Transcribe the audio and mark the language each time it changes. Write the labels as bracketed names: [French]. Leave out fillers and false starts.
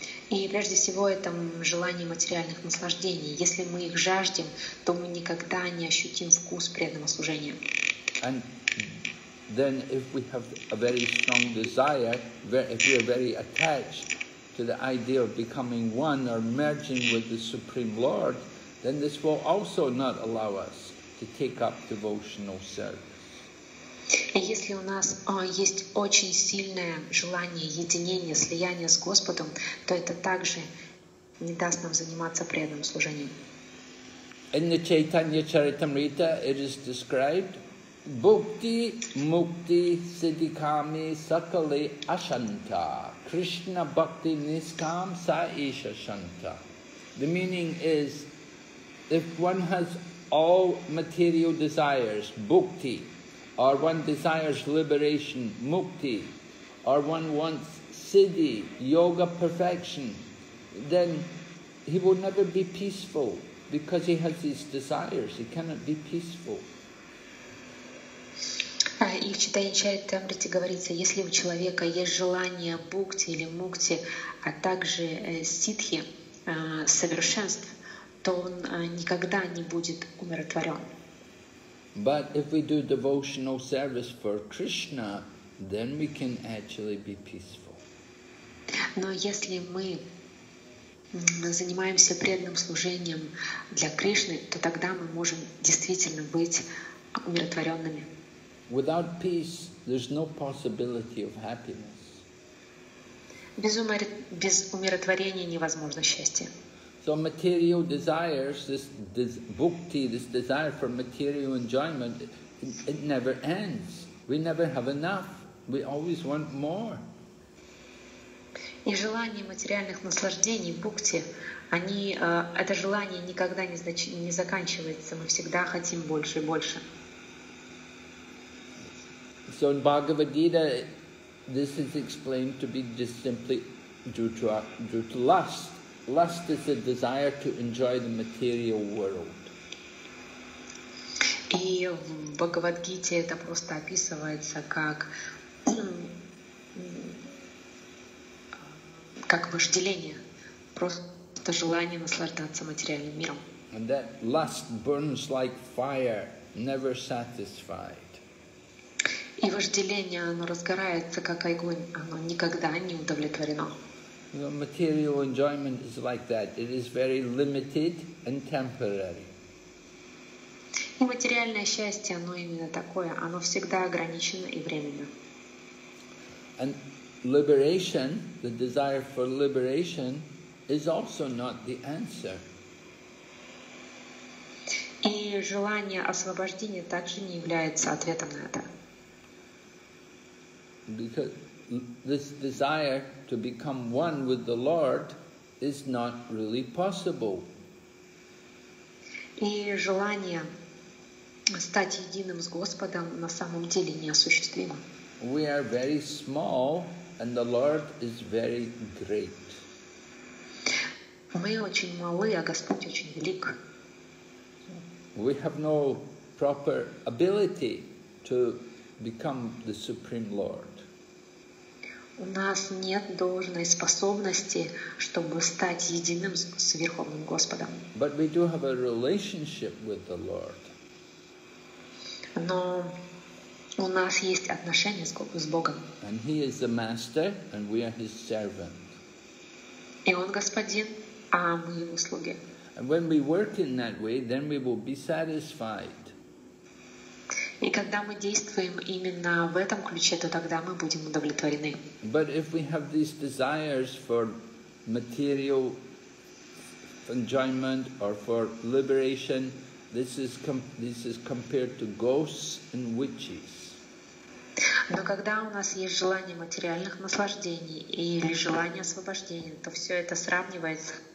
[Russian] И прежде всего это желание материальных наслаждений. Если мы их жаждем, то мы никогда не ощутим вкус преданного служения. [English] And then if we have a very strong desire, if we are very attached to the idea of becoming one or merging with the Supreme Lord, then this will also not allow us to take up devotional service. [Russian] И если у нас есть очень сильное желание единения, слияния с Господом, то это также не даст нам заниматься преданным служением. [English] In the Chaitanya Charitamrita it is described [Sanskrit] Bhukti Mukti Siddhikami Sakali Ashanta Krishna Bhakti Niskam Saisha Shanta. [English] The meaning is, if one has all material desires, bhukti, or one desires liberation, mukti, or one wants siddhi, yoga perfection, then he will never be peaceful because he has these desires. He cannot be peaceful. [Russian] И в читании Чайтамрити говорится, если у человека есть желание букти или мукти, а также сиддхи, совершенств, то он никогда не будет умиротворен. [English] But if we do devotional service for Krishna, then we can actually be peaceful. [Russian] Но если мы занимаемся преданным служением для Кришны, то тогда мы можем действительно быть умиротворенными. [English] Without peace, there's no possibility of happiness. [Russian] Без умиротворения невозможно счастье. [English] So material desires, this bhukti, this desire for material enjoyment, it never ends. We never have enough. We always want more. [Russian] И желание материальных наслаждений, бхукти, они, это желание никогда не заканчивается. Мы всегда хотим больше и больше. [English] So in Bhagavad-gita, this is explained to be just simply due to lust. Lust is a desire to enjoy the material world. [Russian] И в Бхагавад-гите это просто описывается как вожделение, просто желание наслаждаться материальным миром. [English] And that lust burns like fire, never satisfied. [Russian] И вожделение, оно разгорается как огонь, оно никогда не удовлетворено. [English] The material enjoyment is like that. It is very limited and temporary. [Russian] И материальное счастье, оно именно такое. Оно всегда ограничено и временно. [English] And liberation, the desire for liberation, is also not the answer. [Russian] И желание освобождения также не является ответом на это. [English] Because this desire to become one with the Lord is not really possible. [Russian] И желание стать единым с Господом на самом деле неосуществимо. [English] We are very small and the Lord is very great. [Russian] Мы очень малы, а Господь очень велик. [English] We have no proper ability to become the Supreme Lord. [Russian] У нас нет должной способности, чтобы стать единым с Верховным Господом. [English] But we do have a relationship with the Lord. [Russian] Но у нас есть отношения с Богом. [English] And He is the Master, and we are His servant. [Russian] И Он Господин, а мы Его слуги. [English] And when we work in that way, then we will be satisfied. [Russian] И когда мы действуем именно в этом ключе, то тогда мы будем удовлетворены. [English] But if we have these desires for material enjoyment or for liberation, this is compared to ghosts and witches. [Russian] Но когда у нас есть желание материальных наслаждений или желание освобождения, то все это сравнивается